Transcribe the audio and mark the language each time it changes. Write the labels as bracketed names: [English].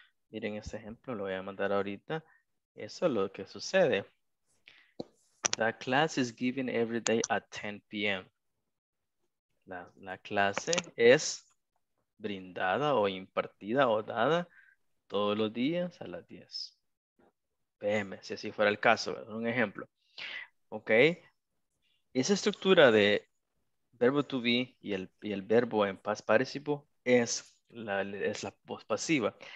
[Spanish] Miren ese ejemplo, lo voy a mandar ahorita. Eso es lo que sucede. [English] The class is given every day at 10 p.m. [Spanish] La clase es brindada o impartida o dada todos los días a las 10 p.m. Si así fuera el caso, ¿verdad? Un ejemplo. Ok. Esa estructura de verbo to be y el verbo en past participle es la voz pasiva.